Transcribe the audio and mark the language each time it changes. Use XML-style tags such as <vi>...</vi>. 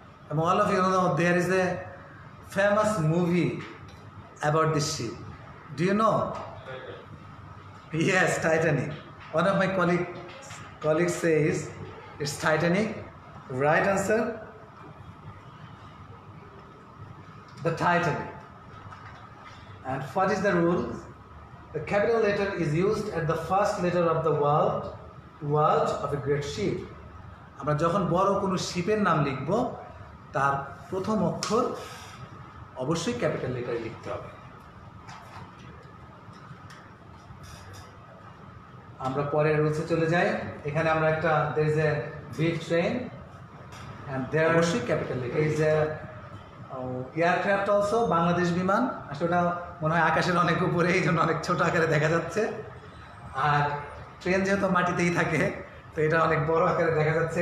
<en>এবং all of you know there is a famous movie about this ship, do you know, yes Titanic, one of my colleague say is it's Titanic, right answer the title. And what is the rule? The capital letter is used at the first letter of the word of a great ship.</en> <bn>আমরা যখন বড় কোনো শিপের নাম লিখব তার প্রথম অক্ষর অবশ্যই ক্যাপিটাল লেটারে লিখতে হবে। আমরা পরের রুলসে চলে যাই, এখানে আমরা একটা</bn> <en>there is a big train and there</en> <bn>অবশ্যই capital letter is a aircraft also Bangladesh বিমান, আসলে ওটা মনে হয় আকাশের অনেক উপরে এই জন্য অনেক ছোটো আকারে দেখা যাচ্ছে, আর ট্রেন যেহেতু মাটিতেই থাকে তো এটা অনেক বড় আকারে দেখা যাচ্ছে।</bn>